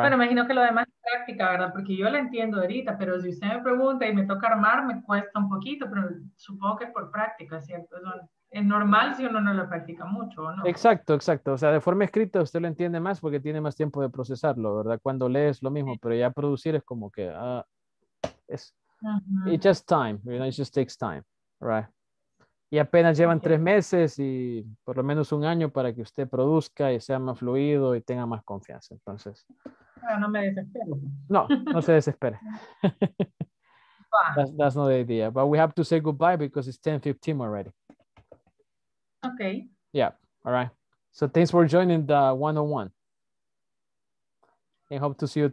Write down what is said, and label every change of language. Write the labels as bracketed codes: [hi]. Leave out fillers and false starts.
[es] Bueno, imagino que lo demás es práctica, ¿verdad? Porque yo la entiendo ahorita, pero si usted me pregunta y me toca armar, me cuesta un poquito, pero supongo que es por práctica, ¿cierto? Es normal si uno no lo practica mucho, ¿o no? Exacto. O sea, de forma escrita usted lo entiende más porque tiene más tiempo de procesarlo, ¿verdad? Cuando lees lo mismo, sí. Pero ya producir es como que, es, uh-huh. [en] It's just time, you know, it just takes time, right? [es] Y apenas llevan tres meses y por lo menos un año para que usted produzca y sea más fluido y tenga más confianza, entonces. Pero no me desespero. No se desespere. [en] That's not the idea, but we have to say goodbye because it's 10:15 already. Okay. Yeah. All right. So thanks for joining the 101. And hope to see you tomorrow, Miss Sonia. All right. So goodbye. Good night.